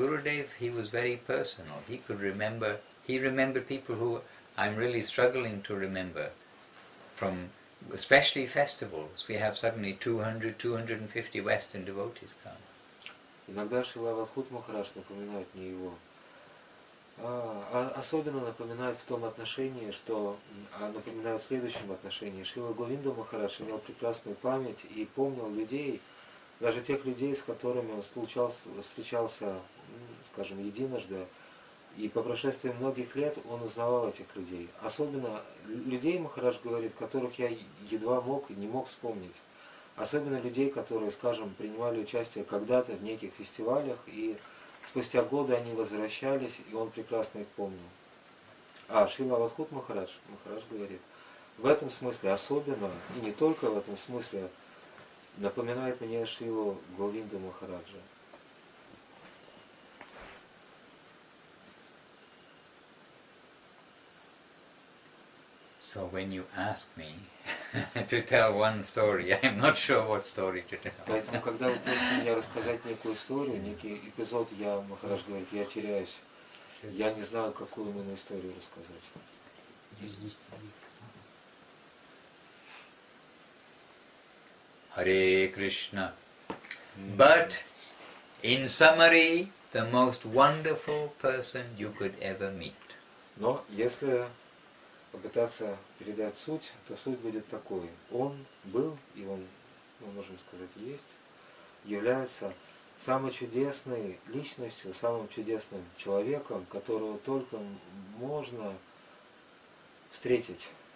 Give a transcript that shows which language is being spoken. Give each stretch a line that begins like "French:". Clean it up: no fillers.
English: Gurudev, he was very personal. He remembered people who I'm really struggling to remember, from especially festivals. We have suddenly 200, 250 Western devotees come.
Russian: Иногда Шрила Авадхут Махарадж напоминает мне его. Особенно напоминает в том отношении, что напоминает в следующем отношении. Шрила Говинда Махарадж имел прекрасную память и помнил людей, даже тех людей, с которыми он встречался, скажем, единожды. И по прошествии многих лет он узнавал этих людей. Особенно людей, Махарадж говорит, которых я едва мог и не мог вспомнить. Особенно людей, которые, скажем, принимали участие когда-то в неких фестивалях, и спустя годы они возвращались, и он прекрасно их помнил. А Шрила Авадхут Махарадж говорит, в этом смысле особенно, и не только в этом смысле, напоминает мне Шрилу Говинду Махараджа.
English: So when you ask me to tell one story, I'm not sure what story to tell.
Russian: Поэтому когда вы просите меня рассказать некую историю, некий эпизод, я, Махарадж говорит, я теряюсь. Я не знаю, какую именно историю рассказать.
English: Hare Krishna. But in summary, the most wonderful person you could ever meet.
Russian: Но если попытаться передать суть, то суть будет такой. Он был, и он, мы можем сказать, есть, является самой чудесной личностью, самым чудесным человеком, которого только можно встретить.